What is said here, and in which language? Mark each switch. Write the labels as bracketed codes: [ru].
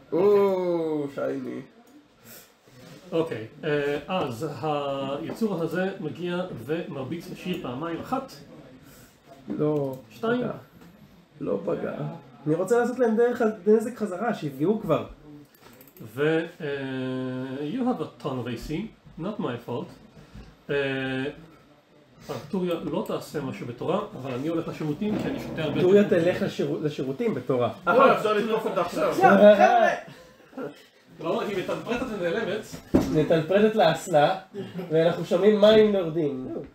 [he] אוו, שייני. אוקיי, אז היצור הזה מגיע ומרביץ לשיר פעמיים אחת. לא. שתיים. לא פגע. אני רוצה לעשות להם דרך נזק חזרה, שיפגעו כבר. ו... [en] you have a ton of AC, not my fault. [he] ארטוריה לא תעשה משהו בתורה, אבל אני הולך לשירותים כי אני שותה הרבה... ארטוריה תלך לשירותים בתורה. אחר, אפשר לתקוף אותה עכשיו. עכשיו, חבר'ה! לא, היא מטלפרטת ונעלמת. מטלפרטת לאסלה, ואנחנו שומעים מים נורדים.